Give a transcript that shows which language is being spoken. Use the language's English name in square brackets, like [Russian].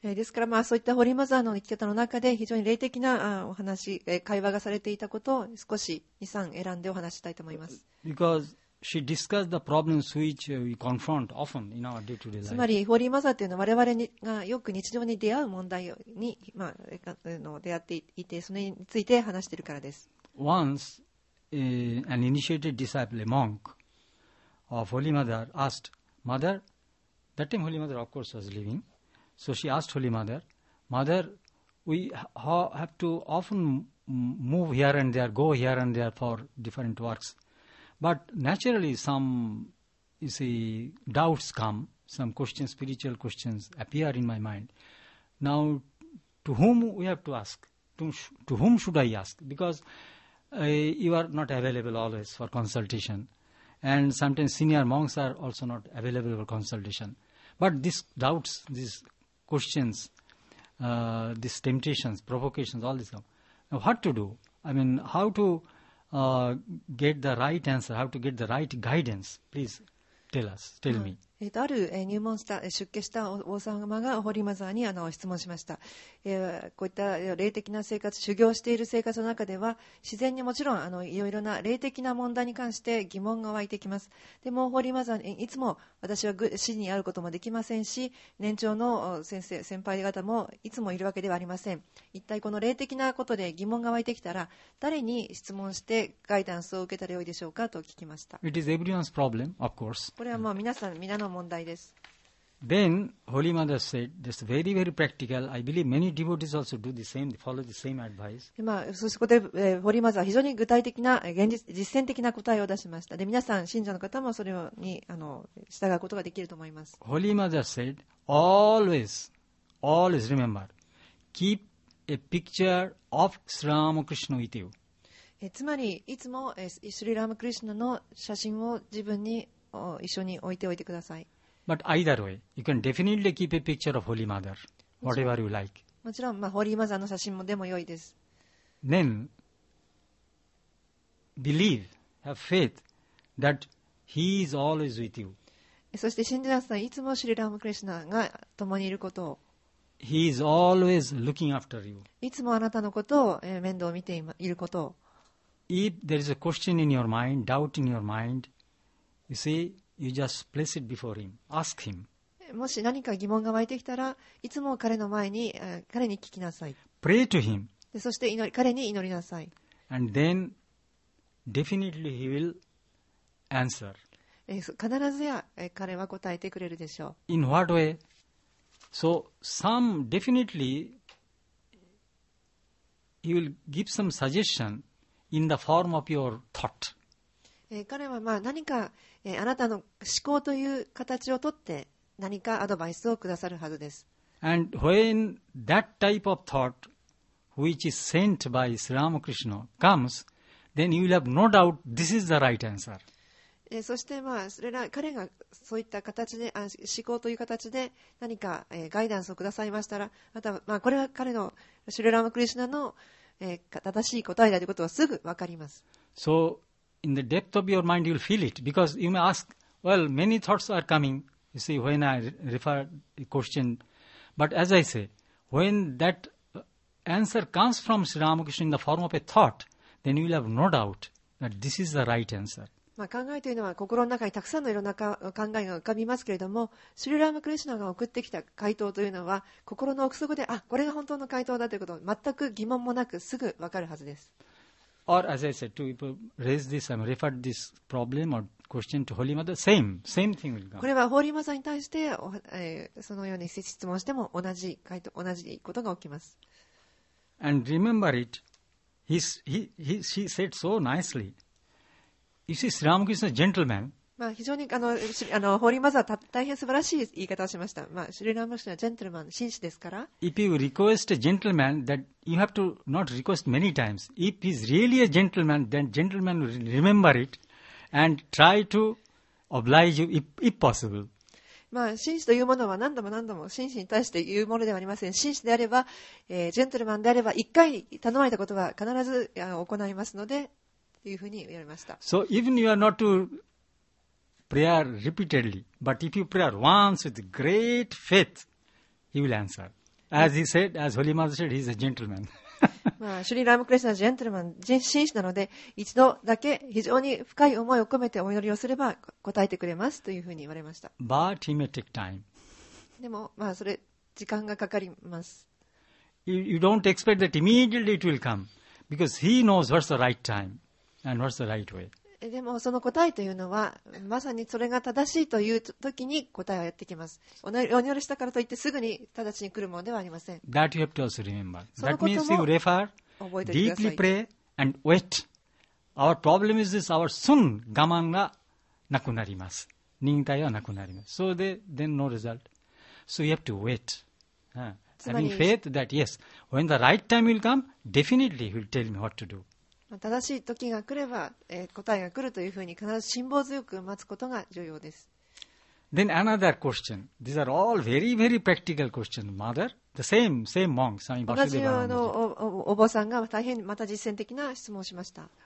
[Japanese] ですから、まあ、そういったホリーマザーの生き方の中で非常に霊的なお話、会話がされていたことを少し 2,3 選んでお話したいと思います。 [English] Because she discussed the problems which we confront often in our day-to-day life. [Japanese] つまりホリーマザーというのは我々がよく日常に出会う問題に、まあ、出会っていて、それについて話しているからです。 [English] OnceAn initiated disciple, a monk of Holy Mother, asked Mother. That time Holy Mother, of course, was living. So she asked Holy Mother, Mother, we have to often move here and there, go here and there for different works. But naturally, some, you see, doubts come, some questions, spiritual questions appear in my mind. Now, to whom we have to ask? To whom should I ask? Because. You are not available always for consultation, and sometimes senior monks are also not available for consultation. But these doubts, these questions, these temptations, provocations, all this stuff. Now, what to do? I mean, how to get the right answer? How to get the right guidance? Please tell us. Tell me. [Japanese] ある入門した出家した王様がホリーマザーに質問しました。こういった霊的な生活、修行している生活の中では自然にもちろんいろいろな霊的な問題に関して疑問が湧いてきます。でもホリーマザー、いつも私は死に会うこともできませんし、年長の先輩方もいつもいるわけではありません。一体この霊的なことで疑問が湧いてきたら誰に質問してガイダンスを受けたらよいでしょうかと聞きました。 [English] It is everyone's problem, of course. [Japanese] これはもう皆さん皆の問題です。 [English] Then Holy Mother said, "This very, very practical. I believe many devotees also do the same, follow the same advice." [Japanese] 今、そしてホリーマザーは非常に具体的な現実、実践的な答えを出しました。で、皆さん信者の方もそれに従うことができると思います。 [English] Holy Mother said, "Always, always remember, keep a picture of Sri Ramakrishna with you." [Japanese] つまり、いつもシュリラームクリシュナの写真を自分に一緒に置いておいてください。 [English] But either way, you can definitely keep a picture of Holy Mother, whatever you like. [Japanese] もちろん、まあ、ホリーマザーの写真もでも良いです。 [English] Then believe, have faith that He is always with you. [Japanese] そして信じなさい、いつもシュリラームクリシュナが共にいることを。 [English] He is always looking after you. [Japanese] いつもあなたのことを面倒を見ていることを。 [English] If there is a question in your mind, doubt in your mind. You see, you just place it before him. Ask him. [Japanese] もし何か疑問が湧いてきたら、いつも彼の前に、彼に聞きなさい。 [English] Pray to him. [Japanese] で、そして彼に祈りなさい。 [English] And then, definitely he will answer. [Japanese] 必ずや、彼は答えてくれるでしょう。 [English] In what way? So, some definitely he will give some suggestion in the form of your thought. [Japanese] 彼はまあ何か、あなたの思考という形をとって何かアドバイスをくださるはずです。 [English] And when that type of thought which is sent by Sri Ramakrishna comes, then you will have no doubt this is the right answer. [Japanese] そしてまあそれら彼がそういった形で思考という形で何かガイダンスをくださいましたら、またまあこれは彼のシュリ・ラマクリシュナの正しい答えだということはすぐ分かります。 [English] So in the depth of your mind you'll feel it, because you may ask, well, many thoughts are coming, you see, when I refer the question, but as I say, when that answer comes from Sri Ramakrishna in the form of a thought, then you will have no doubt that this is the right answer. [Japanese] まあ、考えというのは心の中にたくさんのいろんな考えが浮かびますけれども、シュリ・ラマクリシュナが送ってきた回答というのは心の奥底で、あ、これが本当の回答だということを全く疑問もなくすぐ分かるはずです。 [English] Or as I said, two people raised this and referred this problem or question to Holy Mother, same thing will come. [Japanese] これはホーリーマザーに対して、そのように質問しても同じ回答、同じことが起きます。 [English] And remember it, she said so nicely. You see, Sri Ramakrishna is a gentleman. [Japanese] まあ非常にあのホーリーマザーは大変素晴らしい言い方をしました。まあシュリ・ラマクリシュナはジェントルマン、紳士ですから。 [English] If you request a gentleman, that you have to not request many times. If he's really a gentleman, then gentleman will remember it and try to oblige you if possible. [Japanese] まあ紳士というものは何度も何度も紳士に対して言うものではありません。紳士であれば、ジェントルマンであれば一回頼まれたことは必ず行いますので。というふうに言われました。 [English] So even you are not to pray repeatedly, but if you pray once with great faith, he will answer. As he said, as Holy Mother said, he is a gentleman. [Japanese] まあ、シュリ・ラマクリシュナはジェントルマン、紳士なので、一度だけ非常に深い思いを込めてお祈りをすれば答えてくれますというふうに言われました。 [English] But he may take time. [Japanese] でも、まあそれ時間がかかります。 [English] You don't expect that immediately it will come, because he knows what's the right time. And what's the right way? [Japanese] でもその答えというのはまさにそれが正しいという時に答えはやってきます。お祈りしたからといってすぐに直ちに来るものではありません。 [English] That you have to also remember. [Japanese] そのことも [English] That means you refer, deeply pray and wait. Our problem is this, our sun [Japanese] 我慢がなくなります。忍耐はなくなります。 [English] So then no result. So you have to wait. Having faith that yes, when the right time will come, definitely he will tell me what to do. [Japanese] 正しい時が来れば、答えが来るというふうに必ず辛抱強く待つことが重要です。 [English] Then another question. These are all very, very practical questions. Mother, the same monk, Swami Vasudeva. [Japanese] 同じようなお坊さんが大変また実践的な質問をしました。